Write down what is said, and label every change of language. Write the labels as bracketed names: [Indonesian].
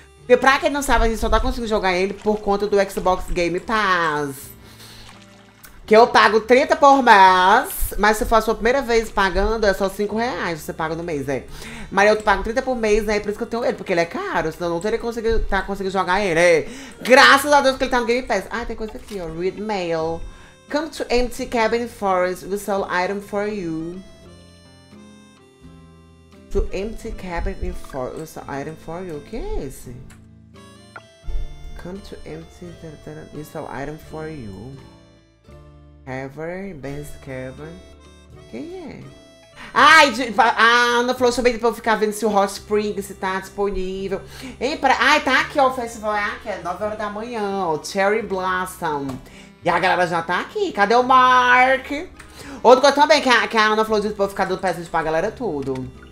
[Portuguese] E pra quem não sabe, a gente só tá conseguindo jogar ele por conta do Xbox Game Pass. Que eu pago 30 por mês, mas se for a sua primeira vez pagando, é só 5 reais que você paga no mês, é. Mas eu pago 30 por mês, né, por isso que eu tenho ele, porque ele é caro, senão eu não teria conseguido jogar ele, é. Graças a Deus que ele tá no Game Pass. Ah, tem coisa aqui, ó, [English] read mail. Come to Empty Cabin Forest, we sell item for you. To Empty Cabin Forest, we sell item for you. [Portuguese] O que é esse? [English] Come to Empty, we sell item for you. [Portuguese] Cavern, Ben's Cavern. Quem é? Ai, Ana falou também pra eu ficar vendo se o Hot Spring se tá disponível. Ei, ai, tá aqui, ó, o festival é aqui, é 9 horas da manhã, ó, Cherry Blossom. E a galera já tá aqui, cadê o Mark? Outro coisa também que a Ana falou disso pra eu ficar dando presente pra galera tudo.